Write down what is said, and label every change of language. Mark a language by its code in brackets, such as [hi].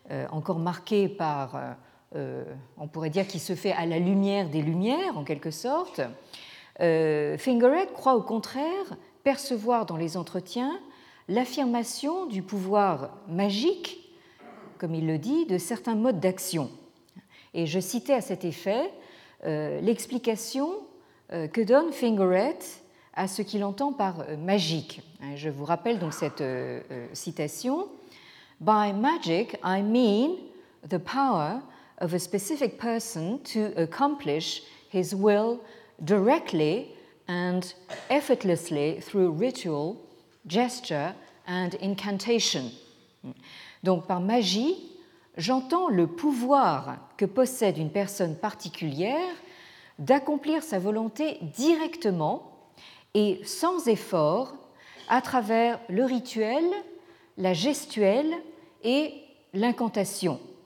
[fr] encore marquée par, on pourrait dire, qui se fait à la lumière des lumières, en quelque sorte, Fingeret croit au contraire percevoir dans les entretiens l'affirmation du pouvoir magique, comme il le dit, de certains modes d'action. Et je citais à cet effet l'explication que donne Fingeret à ce qu'il entend par magique. Je vous rappelle donc cette citation. [en] By magic, I mean the power of a specific person to accomplish his will directly and effortlessly through ritual, gesture and incantation. [fr] Donc par magie, j'entends le pouvoir que possède une personne particulière d'accomplir sa volonté directement et sans effort, à travers le rituel, la gestuelle et l'incantation.